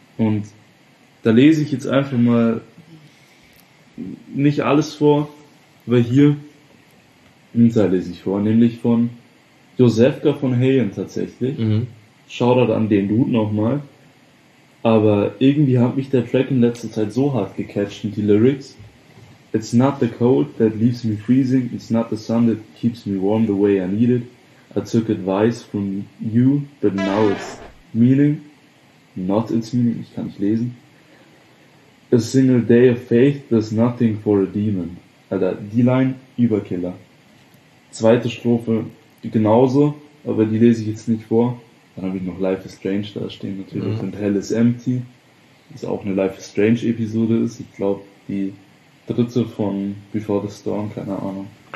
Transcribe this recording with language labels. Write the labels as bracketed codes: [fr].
[de] Und da lese ich jetzt einfach mal nicht alles vor, weil hier Insta lese ich vor, nämlich von Josefka von Hayen tatsächlich. Mhm. Shoutout an den Dude nochmal. Aber irgendwie hat mich der Track in letzter Zeit so hart gecatcht und die Lyrics. [en] It's not the cold that leaves me freezing. It's not the sun that keeps me warm the way I need it. I took advice from you, but now it's meaning. Not its meaning, [de] ich kann nicht lesen. [en] A single day of faith does nothing for a demon. [de] Alter, die Line, Überkiller. Zweite Strophe, genauso, aber die lese ich jetzt nicht vor. Dann habe ich noch Life is Strange da stehen natürlich, mhm, und Hell is Empty. Ist auch eine Life is Strange Episode ist. Ich glaube, die dritte von Before the Storm, keine Ahnung.